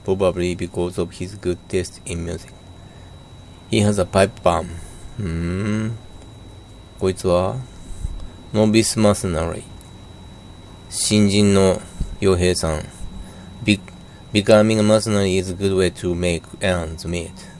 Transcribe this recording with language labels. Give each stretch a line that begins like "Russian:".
English: Probably because of his good taste in music. He has a pipe bomb.
Japanese: こいつは
English: Novice mercenary.
Japanese: 新人の傭兵さん。
English: Becoming a mercenary is a good way to make ends meet.